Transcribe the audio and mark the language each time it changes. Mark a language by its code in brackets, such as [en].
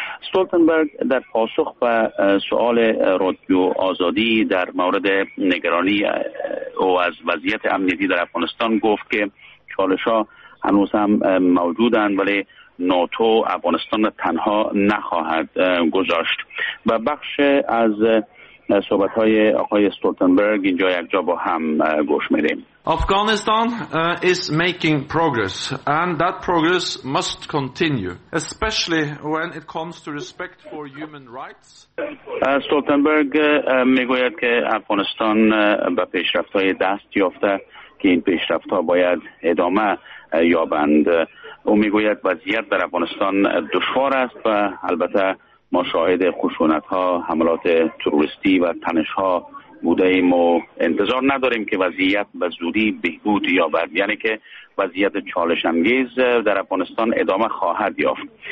[fa] استولتنبرگ در پاسخ به سؤال رادیو آزادی در مورد نگرانی او از وضعیت امنیتی در افغانستان گفت که چالش‌ها هنوز هم موجودن، ولی ناتو افغانستان تنها نخواهد گذاشت. و بخش از صحبت های آقای استولتنبرگ اینجا یک جا با هم گوش میدیم. [en] Afghanistan is making progress and that progress must continue, especially when it comes to respect for human rights. [fa] استولتنبرگ میگوید که افغانستان به پیشرفت های دست یافته که این پیشرفت ها باید ادامه یابند. او میگوید وضعیت در افغانستان دشوار است و البته ما شاهد خشونت ها، حملات تروریستی و تنش ها بوده ایم و انتظار نداریم که وضعیت به زودی بهبود یابد، یعنی که وضعیت چالش انگیز در افغانستان ادامه خواهد یافت.